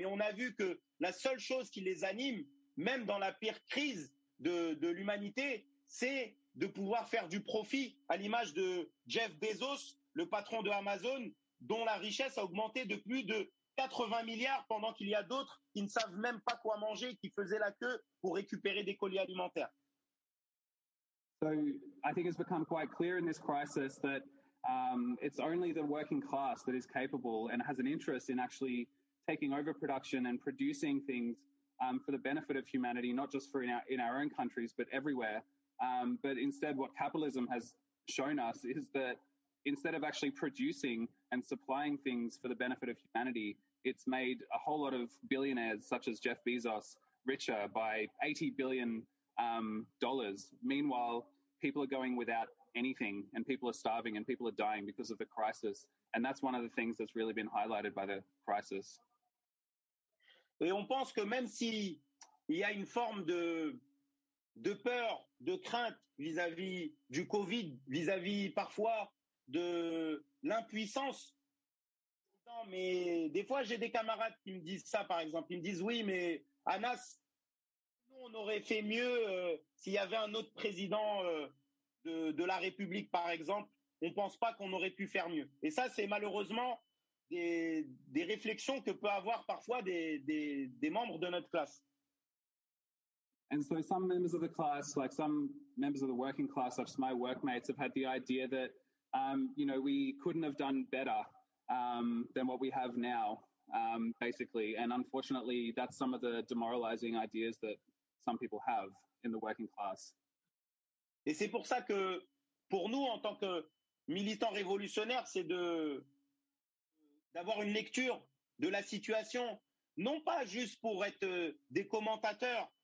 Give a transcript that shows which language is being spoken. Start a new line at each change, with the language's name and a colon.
French: Mais on a vu que la seule chose qui les anime, même dans la pire crise de l'humanité, c'est de pouvoir faire du profit, à l'image de Jeff Bezos, le patron de Amazon, dont la richesse a augmenté de plus de 80 milliards, pendant qu'il y a d'autres qui ne savent même pas quoi manger, qui faisaient la queue pour récupérer des colis alimentaires.
English: So I think it's become quite clear in this crisis that it's only the working class that is capable and has an interest in actually taking over production and producing things for the benefit of humanity, not just in our own countries, but everywhere. But instead, what capitalism has shown us is that instead of actually producing and supplying things for the benefit of humanity, it's made a whole lot of billionaires, such as Jeff Bezos, richer by $80 billion dollars. Meanwhile, people are going without anything, and people are starving, and people are dying because of the crisis. And that's one of the things that's really been highlighted by the crisis.
French: Et on pense que même s'il y a une forme de peur, de crainte vis-à-vis du Covid, vis-à-vis parfois de l'impuissance. Non, mais des fois, j'ai des camarades qui me disent ça, par exemple. Ils me disent, oui, mais Anas, nous, on aurait fait mieux s'il y avait un autre président de la République, par exemple. On ne pense pas qu'on aurait pu faire mieux. Et ça, c'est malheureusement des réflexions que peut avoir parfois des membres de notre classe.
English: And so some members of the class, like some members of the working class, such as my workmates, have had the idea that, you know, we couldn't have done better than what we have now, basically. And unfortunately, that's some of the demoralizing ideas that some people have in the working class.
French: Et c'est pour ça que, pour nous, en tant que militants révolutionnaires, c'est d'avoir une lecture de la situation, non pas juste pour être des commentateurs.